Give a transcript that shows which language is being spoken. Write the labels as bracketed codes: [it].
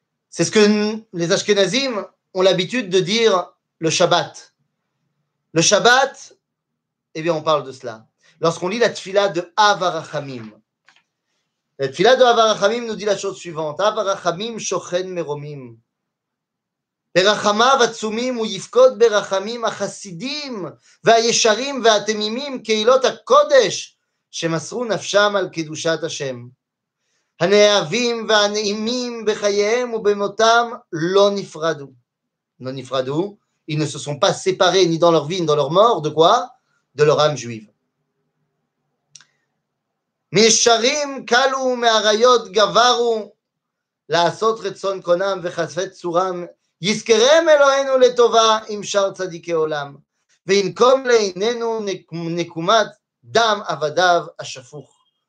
[fr] C'est ce que nous, les Ashkenazim ont l'habitude de dire le Shabbat. Le Shabbat, eh bien, on parle de cela. Lorsqu'on lit la Tfila de Avarachamim, la Tfila de Avarachamim nous dit la chose suivante: [he] Avarachamim shochen meromim. ברחמיו עצומים הוא יפקוד ברחמים החסידים והישרים והתמימים קהילות הקודש שמסרו נפשם על קדושת השם. הנאהבים והנעימים בחייהם ובמותם לא נפרדו. לא נפרדו, [fr] ils ne se sont pas séparés ni dans leur vie ni dans leur mort, de quoi? De leur âme juive. [he] מישרים קלו מהריות גברו לעשות רצון קונם וחשפי צורם יזכרם אלוהינו לטובה עם שאר צדיקי עולם, וינקום לעינינו נקומת דם עבדיו השפוך.